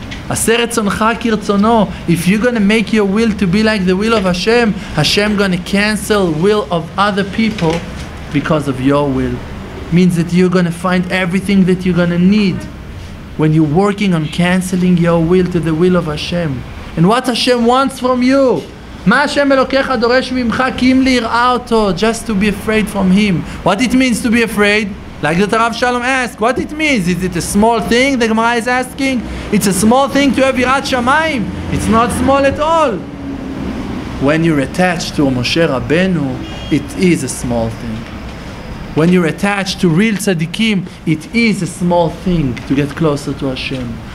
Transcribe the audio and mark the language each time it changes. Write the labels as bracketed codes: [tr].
[he] Aser etzoncha kirtzono. [en] If you're gonna make your will to be like the will of Hashem, Hashem gonna cancel will of other people because of your will. Means that you're gonna find everything that you're gonna need when you're working on canceling your will to the will of Hashem. And what Hashem wants from you? [he] מה השם אלוקיך דורש ממך כי אם ליראה אותו, [en] just to be afraid from him. What it means to be afraid? Like that Rav Shalom asked, what it means? Is it a small thing, the Gemara is asking? It's a small thing to have Yirat Shamayim. It's not small at all. When you're attached to Moshe Rabbeinu, it is a small thing. When you're attached to real tzaddikim, it is a small thing to get closer to Hashem.